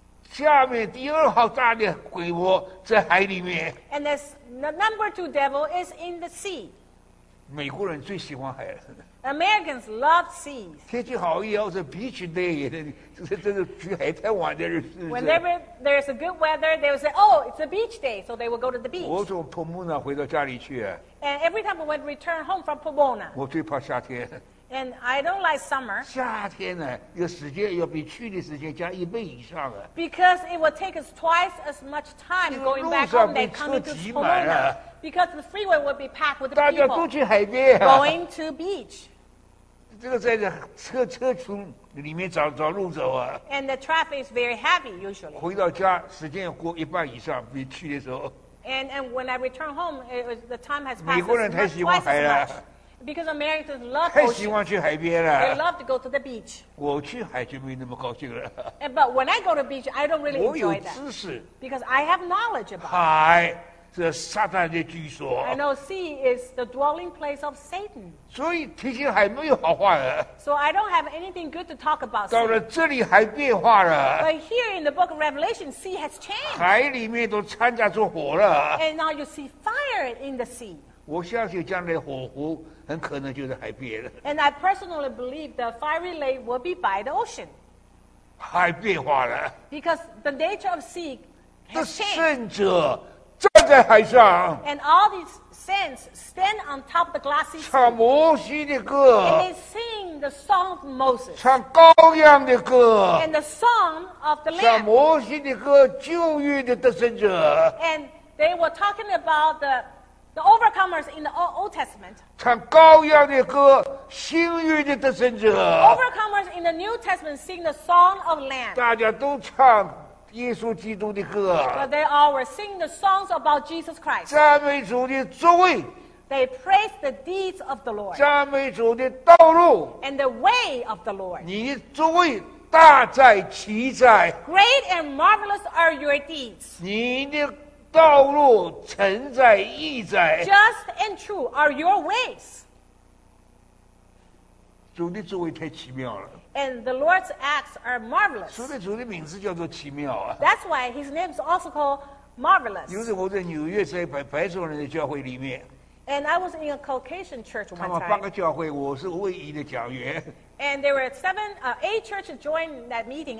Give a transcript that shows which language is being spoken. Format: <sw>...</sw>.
<zh>下面第二号大的鬼魔在海里面。</zh> <en>And this, the number two devil is in the sea.</en> <zh>美国人最喜欢海了。</zh> <en>Americans love seas.</en> <zh>天气好一点，要是</zh> <en>beach day，</en> <zh>这是去海滩玩的日子。</zh> <en>Whenever there's a good weather, they will say, "Oh, it's a beach day," so they will go to the beach.</en> <zh>我从 Pomona 回到家里去。</zh> <en>And every time I went return home from Pomona.</en> <zh>我最怕夏天。</zh> <en>And I don't like summer.</en> <zh>夏天呢，有时间要比去的时间加一倍以上的。</zh> <en>Because it will take us twice as much time going back home than coming to Kelowna. Because the freeway will be packed with people.</en> <zh>大家都去海边、啊。</zh> <en>Going to beach.</en> <zh>这个在车群里面找路走啊。</zh> <en>And the traffic is very heavy usually.</en> <zh>回到家时间过一半以上比去的时候。</zh> <en>And when I return home, the time has passed.</en> <zh>美国人太喜欢海了。</zh> <en>Because Americans love</en> <zh>ocean. 太喜欢去海边了。</zh> <en>They love to go to the beach.</en> <zh>我去海就没那么高兴了。</zh> <en>But when I go to the beach, I don't really enjoy that.</en> <zh>我有知识。</zh> <en>Because I have knowledge about it.</en> <zh>海是撒旦的居所。</zh> <en>I know sea is the dwelling place of Satan.</en> <zh>所以提醒海没有好话的。</zh> <en>So I don't have anything good to talk about.</en> <zh>到了这里海变化了。</zh> <en>But here in the book of Revelation, sea has changed.</en> <zh>海里面都掺杂着火了。</zh> <en>And now you see fire in the sea.</en> <zh>我相信将来火湖。很可能就是海边了。</zh> <en>And I personally believe the fiery lake will be by the ocean.</en> <zh>海变化了。</zh> <en>Because the nature of sea has changed.</en> <zh>圣者站在海上。</zh> <en>And all these saints stand on top of the glassy sea.</en> <zh>唱摩西的歌。</zh> <en>And they sing the song of Moses.</en> <zh>唱羔羊的歌。</zh> <en>And the song of the Lamb.</en> <zh>唱摩西的歌，旧约的得胜者。</zh> <en>And they were talking about the overcomers in the Old Testament.</en> <zh>唱羔羊的歌，新约的得胜者。</zh> <en>Overcomers in the New Testament sing the song of Lamb.</en> <zh>大家都唱耶稣基督的歌。</zh> <en>But they all were singing the songs about Jesus Christ.</en> <zh>赞美主的作为。</zh> <en>They praise the deeds of the Lord.</en> <zh>赞美主的道路。</zh> <en>And the way of the Lord.</en> <zh>你的作为大在其在。</zh> <en>Great and marvelous are your deeds.</en> <zh>你的道路承载意载</zh> <en>Just and true are your ways.</en> <zh>主的作为太奇妙了。</zh> <en>And the Lord's acts are marvelous.</en> <zh>所以主的名字叫做奇妙啊。</zh> <en>That's why his name is also called marvelous.</en> <zh>有时我在纽约在白种人的教会里面。</zh> <en>And I was in a Caucasian church one time.</en> <zh>他们八个教会，我是唯一的讲员。</zh> <en>And there were eight churches joined that meeting.</en>